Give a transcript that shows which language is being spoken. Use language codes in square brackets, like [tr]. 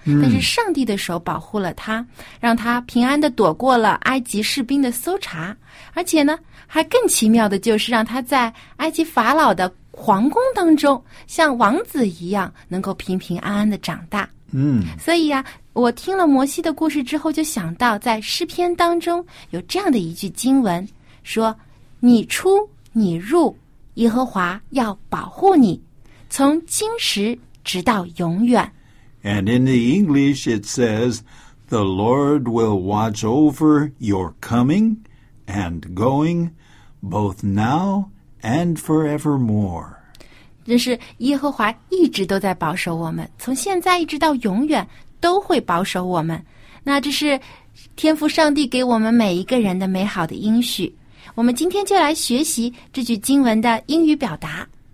[zh] 但是上帝的手保护了他，让他平安的躲过了埃及士兵的搜查，而且呢，还更奇妙的就是让他在埃及法老的皇宫当中像王子一样能够平平安安的长大。所以啊，我听了摩西的故事之后就想到，在诗篇当中有这样的一句经文说，你出你入，耶和华要保护你，从今时直到永远。 [en] And in the English it says, the Lord will watch over your coming and going, both nowand forevermore. [zh] 这是耶和华一直都在保守我们，从现在一直到永远都会保守我们。那这是天父上帝给我们每一个人的美好的应许。我们今天就来学习这句经文的英语表达。